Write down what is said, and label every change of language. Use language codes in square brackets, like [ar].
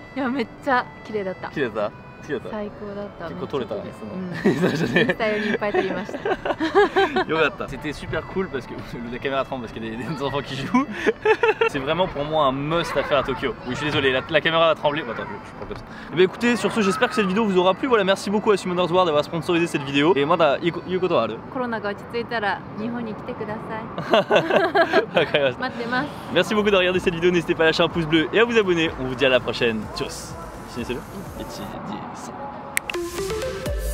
[ja] いやめっちゃ綺麗だった。綺麗だった。綺麗だった。最高だった。結構撮れたね。うん。インスタよりいっぱい撮りました。よかった。 [fr] C'était super cool parce que la caméra tremble parce qu'il y a des enfants qui jouent. C'est vraiment pour moi un must à faire à Tokyo. Oui, je suis désolé, la caméra a tremblé. Bon, attends, je prends comme ça. Bah écoutez, sur ce, j'espère que cette vidéo vous aura plu. Voilà, merci beaucoup à Summoners War d'avoir sponsorisé cette vidéo. Et maintenant, il y a quoi d'autre? [ja] Corona が落ち着いたら日本に来てください。わかりました。待ってます。 [fr] Merci beaucoup de regarder cette vidéo. N'hésitez pas à lâcher un pouce bleu et à vous abonner. On vous dit à la prochaine. Tchuss. Signez-le. Et tchis.